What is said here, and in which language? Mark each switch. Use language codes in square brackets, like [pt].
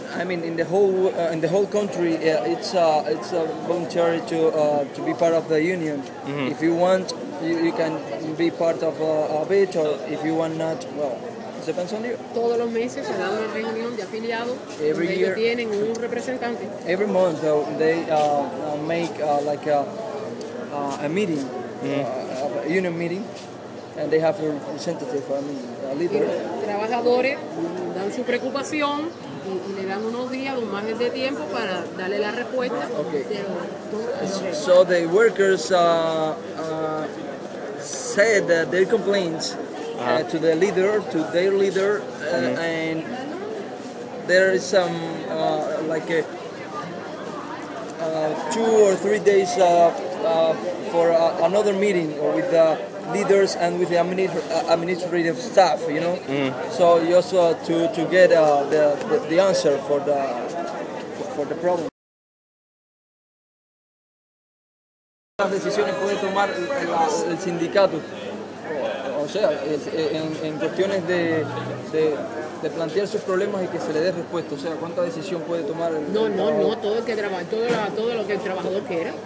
[en] I mean, in the whole country, it's a voluntary to be part of the union. Mm-hmm. If you want, you can be part of a bit, or if you want not, well. Depends on you. [es] Todos los meses se da una reunión de afiliados. [en] Every year. [es] Ellos tienen un representante. [en] Every month, though, they make like a. A meeting, a union meeting, and they have a representative, I mean, a leader. [es] Trabajadores dan su preocupación y le dan unos días, un margen de tiempo para darle la respuesta. [en] Okay. So the workers said that their complaints to the leader, to their leader, and there is some like a 2 or 3 days. For another meeting with the leaders and with the administrative staff, you know. Mm. So just to get the answer for the problem. [es] Las decisiones puede tomar el sindicato, o sea, en cuestiones de plantear sus problemas y que se le dé respuesta, o sea, ¿cuánta decisión puede tomar el trabajador? No, no, no, todo el que trabaja, todo lo que el trabajador quiera.